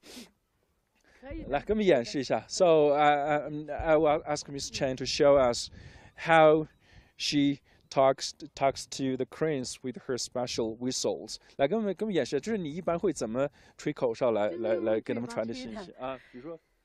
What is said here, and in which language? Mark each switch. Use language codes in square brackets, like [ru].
[zh] 你可以给我们演示一下吗？就是这个口哨，来给我们演示一下。 [en] So I will ask Ms. Chen to show us how she talks to the cranes with her special whistles. [zh] 来给我们演示，就是你一般会怎么吹口哨来给他们传递信息啊？比如说。